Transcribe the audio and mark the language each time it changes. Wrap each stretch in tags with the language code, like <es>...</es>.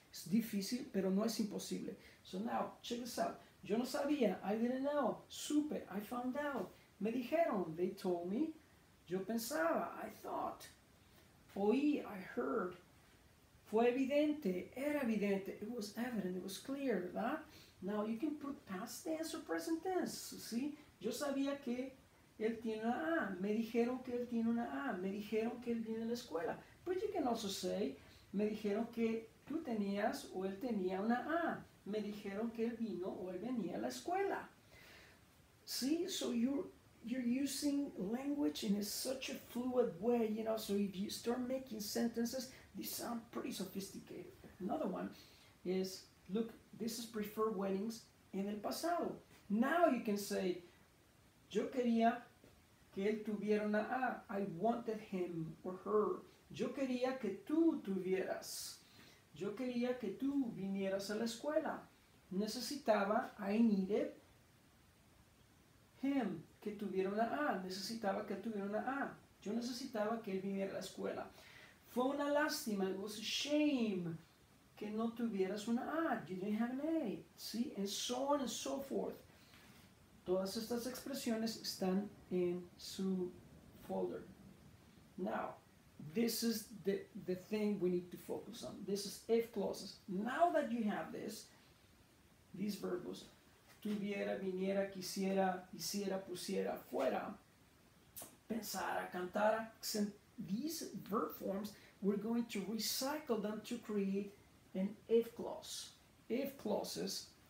<en>It's</en> <es>difícil, pero no es imposible.</es> <en>So now, check this out.</en> <es>Yo no sabía.</es> <en>I didn't know.</en> <es>Supe.</es> <en>I found out.</en> <es>Me dijeron.</es> <en>They told me.</en> <es>Yo pensaba.</es> <en>I thought.</en> <es>Oí.</es> <en>I heard.</en> <es>Fue evidente. Era evidente.</es> <en>It was evident. It was clear.</en> <es>¿Verdad?</es> <en>Now, you can put past tense or present tense. See?</en> <es>Yo sabía que él tiene una A. Me dijeron que él tiene una A. Me dijeron que él viene de la escuela.</es> <en>But you can also say,</en> <es>me dijeron que tú tenías o él tenía una A. Me dijeron que él vino o él venía a la escuela.</es> <en>See, so you're using language in a such a fluid way, you know, so if you start making sentences, they sound pretty sophisticated. Another one is, look, this is preferred weddings</en> <es>en el pasado.</es> <en>Now you can say,</en> <es>yo quería que él tuviera una A.</es> <en>I wanted him or her.</en> <es>Yo quería que tú tuvieras. Yo quería que tú vinieras a la escuela. Necesitaba,</es> <en>I needed him,</en> <es>que tuviera una A. Necesitaba que tuviera una A. Yo necesitaba que él viniera a la escuela. Fue una lástima.</es> <en>It was a shame</en> <es>que no tuvieras una A.</es> <en>You didn't have an A. See? And so on and so forth.</en> <es>Todas estas expresiones están en su folder.</es> <en>Now, This is the thing we need to focus on. This is if clauses. Now that you have this, these verbos, tuviera, viniera, quisiera, hiciera, pusiera, fuera, pensara, cantara, these verb forms, we're going to recycle them to create an if clause. If clauses,</en>